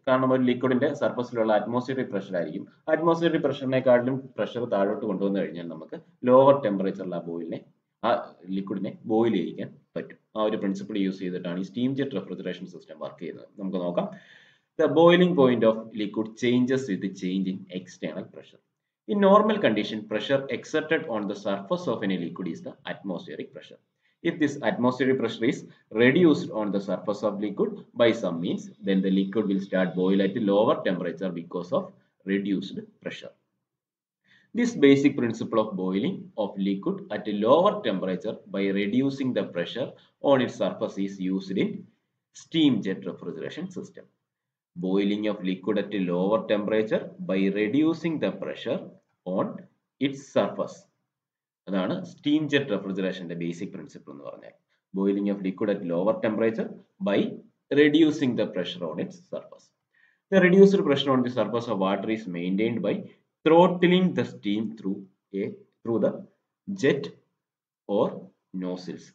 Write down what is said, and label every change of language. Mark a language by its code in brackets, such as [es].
[ml] കാരണം ഒരു ലിക്വിഡിന്റെ സർഫസിലുള്ള atmospheric pressure ആയിരിക്കും. അറ്റ്മോസ്ഫിയറിക് പ്രഷറിനെക്കാട്ടിലും പ്രഷർ താഴോട്ട് കൊണ്ടുവന്നു കഴിഞ്ഞാൽ നമുക്ക് ലോവർ ടെമ്പറേച്ചറിൽ ആ ബോയിലിനെ ആ ലിക്വിഡിനെ ബോയിൽ ചെയ്യിക്കാൻ പറ്റും. ആ ഒരു പ്രിൻസിപ്പിൾ യൂസ് ചെയ്തിട്ടാണ് ഈ steam jet refrigeration system work ചെയ്യുന്നത്. നമുക്ക് നോക്കാം [en] The boiling point of liquid changes with change in external pressure. In normal condition pressure excepted on the surface of any liquid is the atmospheric pressure. If this atmospheric pressure is reduced on the surface of liquid by some means, then the liquid will start boil at a lower temperature because of reduced pressure. This basic principle of boiling of liquid at a lower temperature by reducing the pressure on its surface is used in steam jet refrigeration system. Boiling of liquid at a lower temperature by reducing the pressure on its surface. [ml] അതാണ് steam jet റെഫ്രിജറേഷന്റെ basic principle എന്ന് പറഞ്ഞാൽ [en] Boiling of liquid at lower temperature by reducing the pressure on its surface. The reduced pressure on the surface of water is maintained by throttling the steam through the jet or nozzles.